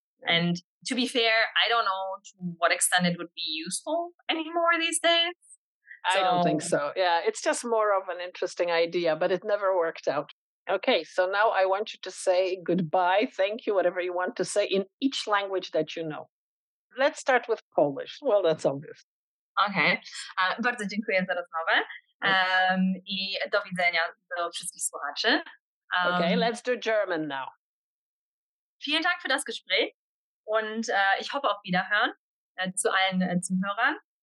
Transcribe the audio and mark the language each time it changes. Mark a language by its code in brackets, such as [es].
[en] And to be fair, I don't know to what extent it would be useful anymore these days. I don't think so. Yeah, it's just more of an interesting idea, but it never worked out. Okay, so now I want you to say goodbye, thank you, whatever you want to say in each language that you know. Let's start with Polish. Well, that's obvious. Okay. [pl] Bardzo dziękuję za rozmowę. I do widzenia do wszystkich słuchaczy. [en] Okay, let's do German now. [de] Vielen Dank für das Gespräch. Und ich hoffe auf Wiederhören zu allen Zuhörern.